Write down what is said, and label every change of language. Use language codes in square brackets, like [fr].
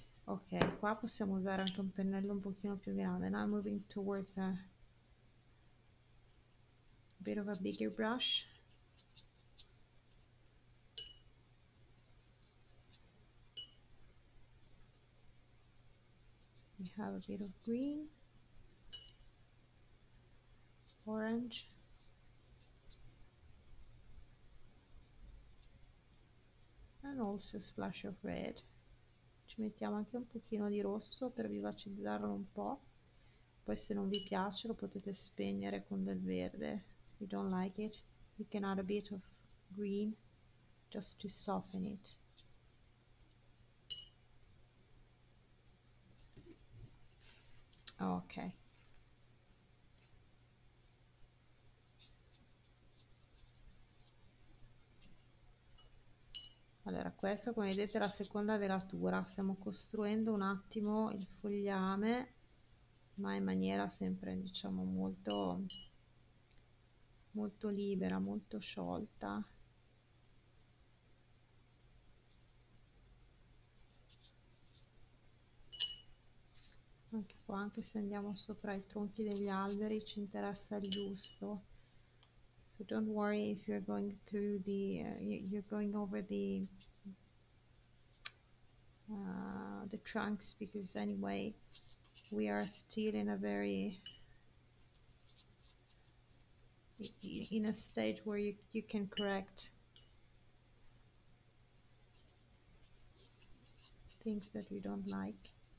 [it] Ok, qua possiamo usare anche un pennello un pochino più grande. [en] Now I'm moving towards a bit of a bigger brush. We have a bit of green, orange. And also a splash of red. [it] Ci mettiamo anche un pochino di rosso per vivacizzarlo un po'. Poi se non vi piace lo potete spegnere con del verde. [en] If you don't like it, you can add a bit of green just to soften it. Ok. [it] Allora, questo, come vedete, è la seconda velatura. Stiamo costruendo un attimo il fogliame, ma in maniera sempre, diciamo, molto, molto libera, molto sciolta. Anche qua, anche se andiamo sopra i tronchi degli alberi, ci interessa il giusto. [en] So don't worry if you're going through the, you're going over the the trunks, because anyway we are still in a very in a stage where you can correct things that you don't like.